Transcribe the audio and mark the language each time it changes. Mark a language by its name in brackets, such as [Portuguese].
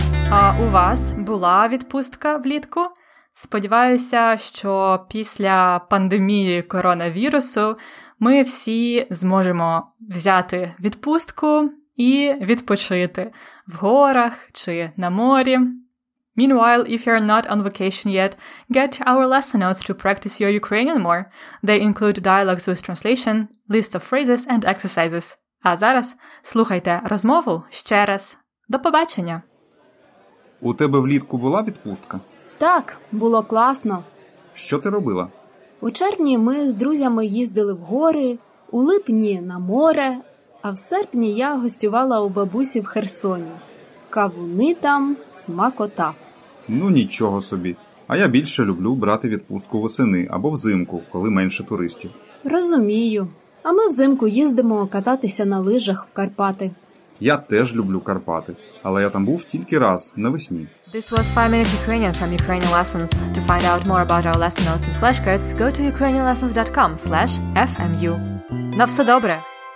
[Ukrainian] А у вас була відпустка влітку? Сподіваюся, що після пандемії коронавірусу ми всі зможемо взяти відпустку і відпочити в горах чи на морі. [English] Meanwhile, if you're not on vacation yet, get our lesson notes to practice your Ukrainian more. They include dialogues with translation, list of phrases and exercises. [Ukrainian] А зараз слухайте розмову ще раз. До побачення! У тебе влітку була відпустка? Так, було класно. Що ти робила? У червні ми з друзями їздили в гори, у липні – на море, а в серпні я гостювала у бабусі в Херсоні. Кавуни там, смакота. Ну, нічого собі. А я більше люблю брати відпустку восени або взимку, коли менше туристів. Розумію. А ми взимку їздимо кататися на лижах в Карпати. Я теж люблю Карпати, але я там був тільки раз, навесні. [English] This was 5 Minutes Ukrainian from Ukrainian Lessons. To find out more about our lesson notes and flashcards, go to ukrainianlessons.com/fmu. [Ukrainian] На все добре!